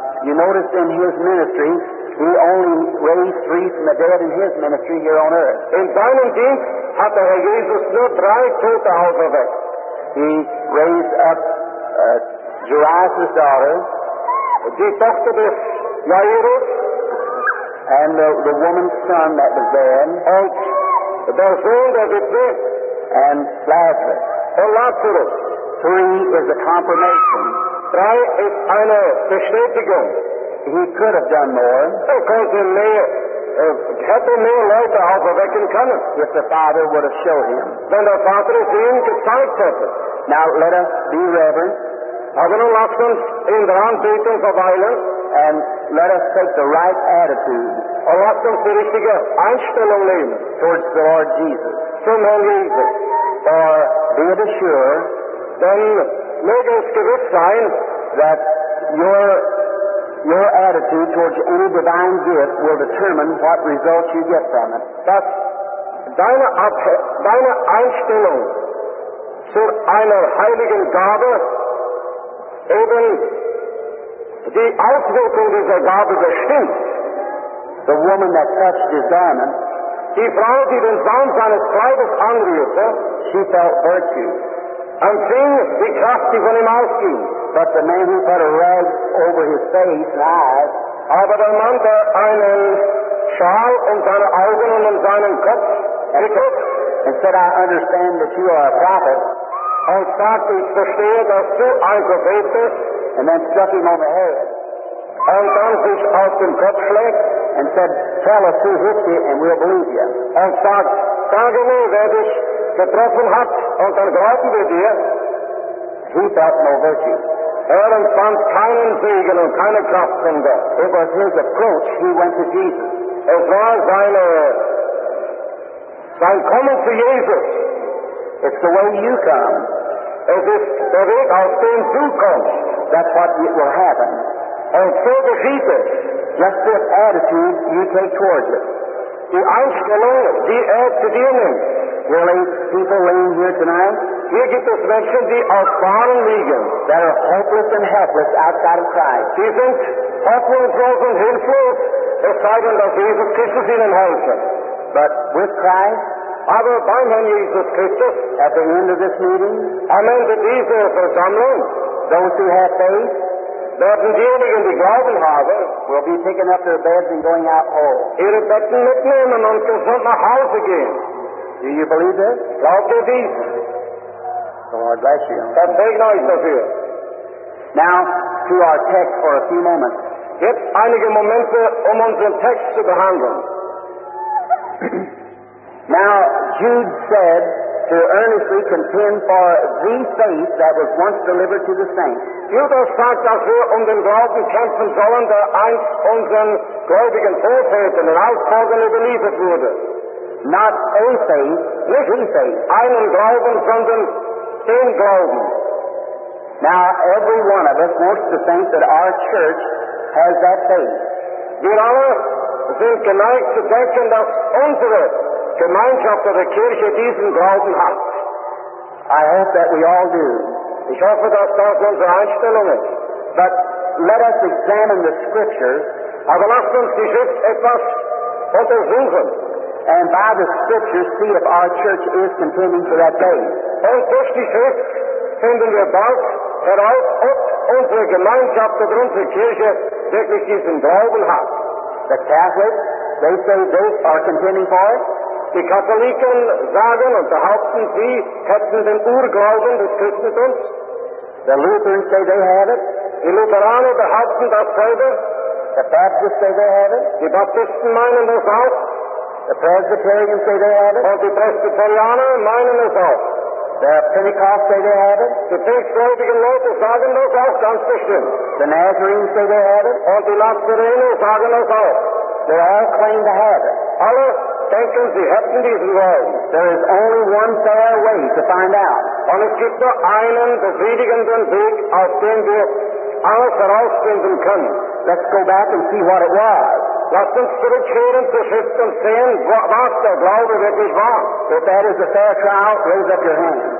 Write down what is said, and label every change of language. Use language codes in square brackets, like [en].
[en] You notice in his ministry, he only raised 3 from the dead in his ministry here on earth. [de] In seinem Dienst hat Jesus nur 3 Tote auferweckt. [en] He raised up Jairus' daughter. [de] Die Tochter des Jairus. [en] And the woman's son that was there. [de] Und der Sohn, der sie trug. [en] And Lazarus. [de] Und Lazarus. [en] Three is a confirmation. [de] Drei ist eine Bestätigung. [en] He could have done more. Because the mayor, [de] hätte mehr Leute aufwecken können. [en] If the father would have showed him. [de] Wenn der Vater es ihm gezeigt hätte. [en] Now let us be reverent. [de] Haben wir lasst uns in der Anbetung verweilen. [en] And let us take the right attitude. [de] Und lasst uns die richtige Einstellung nehmen. [en] Towards the Lord Jesus. [de] Zum Herrn Jesus. [en] For be it assured. Then make us [de] gewiss sein. [en] That your attitude towards any divine gift will determine what results you get from it. [de] Dass deine Einstellung zu einer heiligen Gabe eben die Auswirkung dieser Gabe bestimmt. [en] The woman that touched his garment, [de] die Frau, die den Saum seines Kleides anrührte, [en] she felt virtue. [de] Und sie, die Kraft, die von ihm ausging. [en] But the man who put a rag over his face and eyes, [de] aber der Mann, der einen Schal um seine Augen und um seinen Kopf wickelt, [en] and said, I understand that you are a prophet. [de] Und sagte, ich verstehe, dass du ein Prophet bist. [en] And then struck him on the head. [de] Und dann sich auf den Kopf schlägt. [en] And said, tell us who hit you and we'll believe you. [de] Und sagt, sage mir, wer dich getroffen hat und dann glauben wir dir. [en] He felt no virtue. [de] Er empfand keinen Segen und keine Kraft von Gott. [en] It was his approach, he went to Jesus. [de] Es war sein Kommen zu Jesus. [en] It's the way you come. [de] Es ist der Weg, aus dem du kommst. [en] That's what it will happen. [de] Und so geschieht es. [en] Just this attitude you take towards it. [de] Die Einstellung, die zu dir nimmt. [en] Really, people laying here tonight? [de] Hier gibt es Menschen, die aus Fahnen liegen. [en] That are hopeless and helpless outside of Christ. [de] Sie sind hoffnungslos und hilflos, es sei denn, dass Jesus Christus ihnen helfen. [en] But with Christ, [de] aber bei Herrn Jesus Christus, [en] at the end of this meeting, [de] am Ende dieser Versammlung, [en] those who have faith, [de] werden diejenigen, die glauben haben, [en] will be taking up their beds and going out home. [de] Ihre Betten mitnehmen und gesund nach Hause gehen. [en] Do you believe this? [de] Glaubt ihr dies? [en] The Lord bless you. [de] Das segne euch dafür. [en] Now, to our text for a few moments. [de] Jetzt einige Momente, um unseren Text zu behandeln. [en] Now, Jude said, to earnestly contend for the faith that was once delivered to the saints. [de] Judas sagt, dass wir den Glauben kämpfen sollen, der einst unseren gläubigen Vorfahren und Auftragen überliefert wurde. [en] Not a faith, [de] nicht die [en] faith. [de] Einen Glauben, sondern den Glauben. [en] Now, every one of us wants to think that our church has that faith. [de] Wir alle sind geneigt zu denken, dass unsere Gemeinschaft oder Kirche diesen Glauben hat. [en] I hope that we all do. [de] Ich hoffe, dass das unsere Einstellung ist. [en] But let us examine the scriptures. [de] Aber lasst uns die Schrift etwas untersuchen. [en] And by the scriptures see if our church is contending for that day. [de] Und durch die Schrift finden wir bald heraus, ob unsere Gemeinschaft oder unsere Kirche wirklich diesen Glauben hat. [en] The Catholics, they say they are contending for it. [de] Die Katholiken sagen und behaupten, sie hätten den Urglauben des Christentums. [en] The Lutherans say they have it. [de] Die Lutheraner behaupten dasselbe. [en] The Baptists say they have it. [de] Die Baptisten meinen das auch. [en] The Presbyterians say they have it. [de] Und die Presbyterianer meinen das auch. [en] The Pentecost say they have it. [de] Die pfingstgläubigen Leute sagen das auch, ganz bestimmt. [en] The Nazarenes say they have it. [de] Und die Nazarener sagen das auch. [en] They all claim to have it. [de] Alle denken, sie hätten diesen Glauben. [en] There is only one fair way to find out. [de] Und es gibt nur einen befriedigenden Weg, auf dem wir alles herausfinden können. [en] Let's go back and see what it was. [de] Lass uns zurückkehren zur Schrift und sehen, was der Glaube wirklich war. [en] If that is a fair trial, raise up your hand.